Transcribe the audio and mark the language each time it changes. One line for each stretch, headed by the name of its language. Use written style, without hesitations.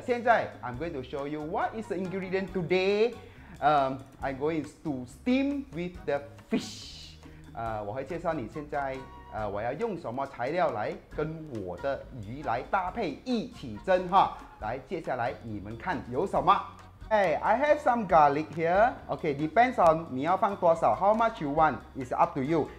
Chinese: 现在
English: I'm going to show you what is the ingredient today. I'm going to steam with the fish.
Chinese: 我会介绍你现在我要用什么材料来跟我的鱼来搭配一起蒸哈。来，接下来你们看有什么。
English: Hey, I have some garlic here. Okay, depends on
Chinese: 你要放多少，
English: how much you want, it's up to you.